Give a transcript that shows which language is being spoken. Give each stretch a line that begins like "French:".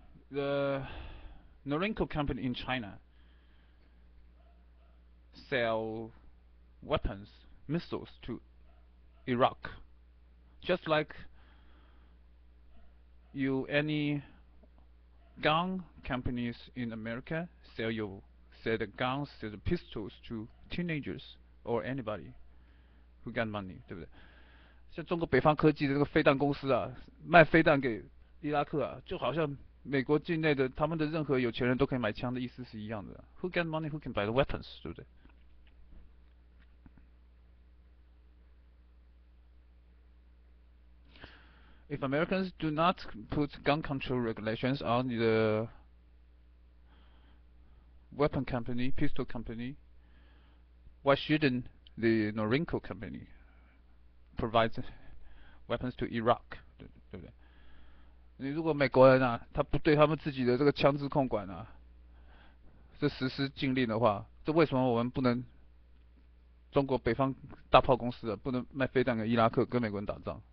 English: The Norinco company in China sell weapons, missiles to Iraq. Just like you, any gun companies in America sell the guns, sell the pistols to teenagers or anybody who got money，
Chinese: 对不对？像中国北方科技的这个飞弹公司啊，卖飞弹给伊拉克啊，就好像美国境内的他们的任何有钱人都可以买枪的意思是一样的。
English: Who get money, who can buy the weapons，
Chinese: 对不对？
English: If Americans do not put gun control regulations on the weapon company, pistol company, why shouldn't the Norinco company provide weapons to Iraq？
Chinese: 对不对？你如果美国人啊，他不对他们自己的这个枪支控管啊，这实施禁令的话，这为什么我们不能中国北方大炮公司啊，不能卖飞弹给伊拉克跟美国人打仗？